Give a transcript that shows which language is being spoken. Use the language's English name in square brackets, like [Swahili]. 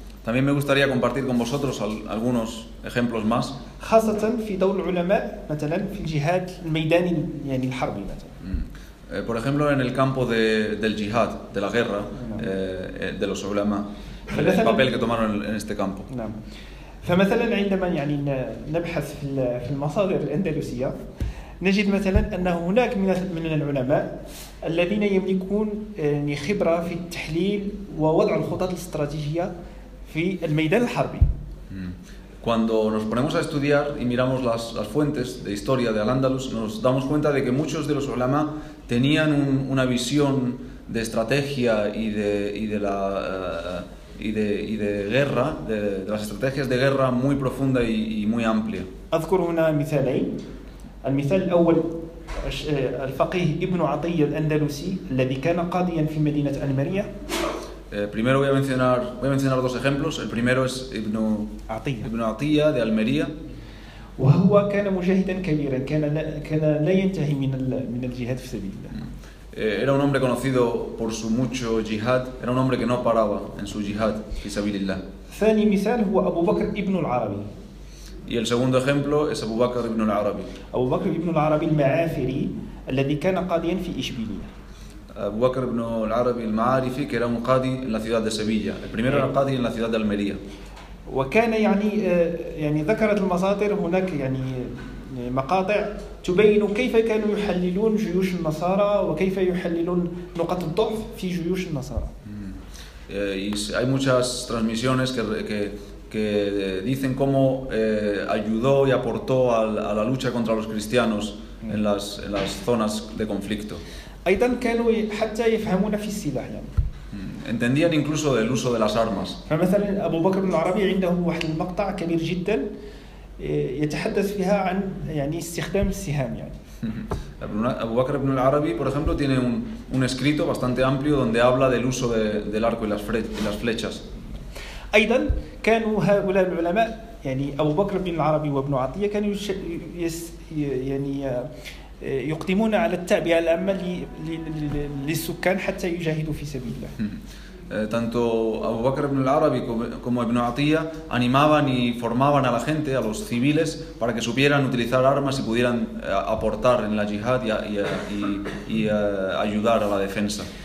[Spanish] También me gustaría compartir con vosotros algunos ejemplos más. [Arabic] خاصة في دور العلماء مثلا في الجهاد الميداني يعني الحربي مثلا. [Spanish] Por ejemplo en el campo del jihad de la guerra de los ulama el papel que tomaron en este campo. [Arabic] نعم. فمثلا عندما يعني نبحث في المصادر الأندلسية نجد مثلا أن هناك من العلماء الذين يملكون خبرة في التحليل ووضع الخطط الاستراتيجية في الميدان الحربي. [Spanish] Cuando nos ponemos a estudiar y miramos las fuentes de historia de Al-Ándalus, nos damos cuenta de que muchos de los ulama tenían una visión de estrategia y de guerra, de las estrategias de guerra muy profunda y muy amplia. [Arabic] أذكر هنا مثالين. المثال الأول الفقيه ابن عطية الأندلسي الذي كان قاضيا في مدينة المريا. [Spanish] Primero voy a mencionar dos ejemplos. El primero es Ibn Atiyah de Almería. [Arabic] وهو كان مجاهدا كبيرا كان لا ينتهي من الجهاد في سبيل الله. [Spanish] Era un hombre conocido por su mucho jihad, era un hombre que no paraba en su jihad [Arabic] في سبيل الله. ثاني مثال هو ابو بكر ابن العربي. [Spanish] Y el segundo ejemplo es Abu Bakr ibn al-Arabi. [Arabic] Abu Bakr ibn al-Arabi al-Ma'afiri الذي كان قاضيا في إشبيلية. [Spanish] Abu Bakr ibn al-Arabi al-Ma'arifi que era un qadi en la ciudad de Sevilla. El primero era qadi en la ciudad de Almería. [Arabic] وكان يعني ذكرت المصادر هناك يعني مقاطع تبين كيف كانوا يحللون جيوش النصارى وكيف يحللون نقاط الضعف في جيوش النصارى. [Spanish] Hay muchas transmisiones que dicen cómo ayudó y aportó a la lucha contra los cristianos en las zonas de conflicto. [Arabic] أيضاً كانوا حتى يفهمون في السلاح يعني. [Spanish] Entendían incluso del uso de las armas. [Arabic] فمثلاً أبو بكر بن العربي عنده واحد المقطع كبير جداً يتحدث فيها عن يعني استخدام السهام يعني. [Spanish] Abu Bakr ibn al-Arabi, por ejemplo, tiene un escrito bastante amplio donde habla del uso del arco y las flechas. [Arabic] أيضا كانوا هؤلاء العلماء يعني أبو بكر بن العربي وابن عطية كانوا يعني يقدمون على التعبئة العامة للسكان حتى يجاهدوا في سبيل الله. [Spanish] Tanto Abu Bakr ibn al-Arabi como Ibn Atiyah animaban y formaban a la gente, a los civiles, para que supieran utilizar armas y pudieran aportar en la jihad y ayudar a la defensa.